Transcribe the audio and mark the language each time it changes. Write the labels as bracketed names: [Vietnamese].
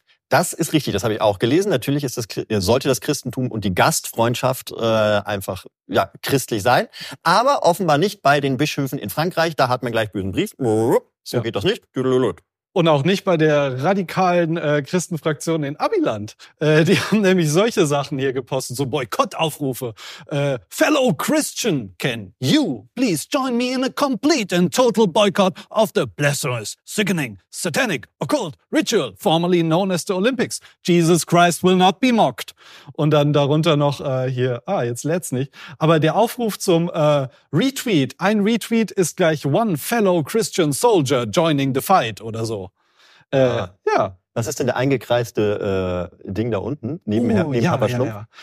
[German] Das ist richtig, das habe ich auch gelesen. Natürlich sollte das Christentum und die Gastfreundschaft einfach christlich sein. Aber offenbar nicht bei den Bischöfen in Frankreich. Da hat man gleich bösen Brief. So geht das nicht. Und auch nicht bei der radikalen Christenfraktion in Abiland. Die haben nämlich solche Sachen hier gepostet, so Boykottaufrufe. [English] Fellow Christian, can you please join me in a complete and total boycott of the blasphemous, sickening, satanic, occult ritual formerly known as the Olympics. Jesus Christ will not be mocked. [German] Und dann darunter noch jetzt lädt's nicht. Aber der Aufruf zum Retweet. Ein Retweet ist gleich [English] one fellow Christian soldier joining the fight [German] oder so. Was ist denn der eingekreiste Ding da unten? Neben Papa Schlumpf? Ja.